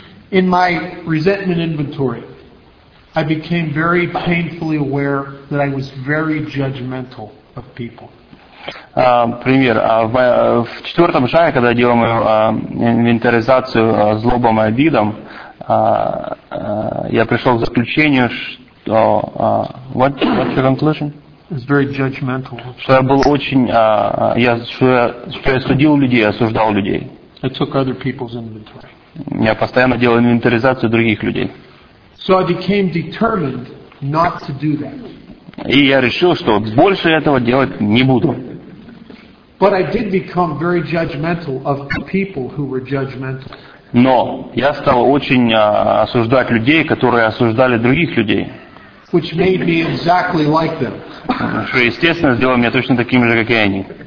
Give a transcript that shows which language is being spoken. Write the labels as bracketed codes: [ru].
[en] In my resentment inventory, I became very painfully aware that I was very judgmental of people. [ru] Пример. В четвертом шаге, когда делаем инвентаризацию злобам и обидам, я пришел к заключению, что... [en] What's your conclusion? was very judgmental. [ru] Что я был очень, я судил людей, осуждал людей. [en] I took other people's inventory. [ru] Я постоянно делал инвентаризацию других людей. [en] So I became determined not to do that. [ru] И я решил, что больше этого делать не буду. [en] But I did become very judgmental of people who were judgmental. [ru] Но я стал очень осуждать людей, которые осуждали других людей. [en] Which made me exactly like them. [ru] Что, естественно, сделало меня точно таким же, как и они.